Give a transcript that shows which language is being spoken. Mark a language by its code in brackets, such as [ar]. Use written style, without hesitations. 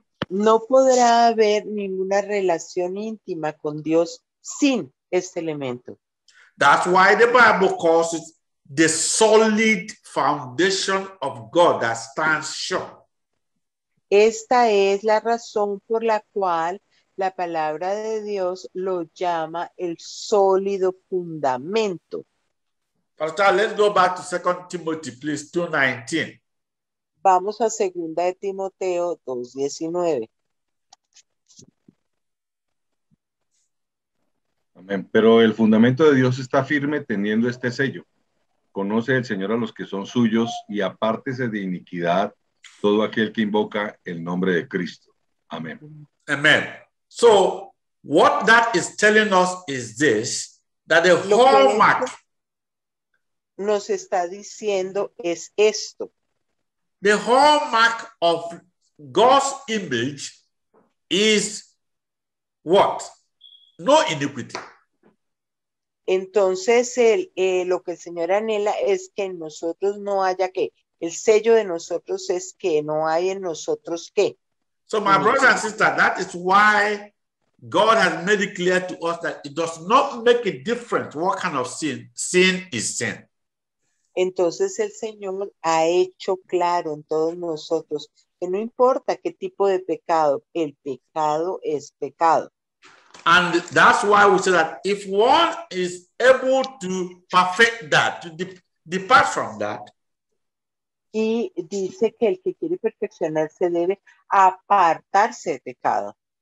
[es] No podrá haber ninguna relación íntima con Dios sin este elemento. [en] That's why the Bible calls it the solid foundation of God that stands sure. [es] Esta es la razón por la cual la palabra de Dios lo llama el sólido fundamento. [en] Pastor, let's go back to 2 Timothy, please, 2:19. [es] Vamos a 2 de Timoteo 2:19. Amén. Pero el fundamento de Dios está firme teniendo este sello. Conoce el Señor a los que son suyos y apártese de iniquidad todo aquel que invoca el nombre de Cristo. Amén. Amén. [en] So, what that is telling us is this, that the hallmark [es] nos está diciendo es esto. [en] The hallmark of God's image is what? No iniquity. [es] Entonces, lo que el Señor anhela es que en nosotros no haya que. El sello de nosotros es que no hay en nosotros qué. [en] So, my brother and sister, that is why God has made it clear to us that it does not make a difference what kind of sin. Sin is sin. [es] Entonces, el Señor ha hecho claro en todos nosotros que no importa qué tipo de pecado, el pecado es pecado. [en] And that's why we say that if one is able to perfect that, to depart from that, [es] y dice que el que quiere perfeccionarse debe apartarse de pecado.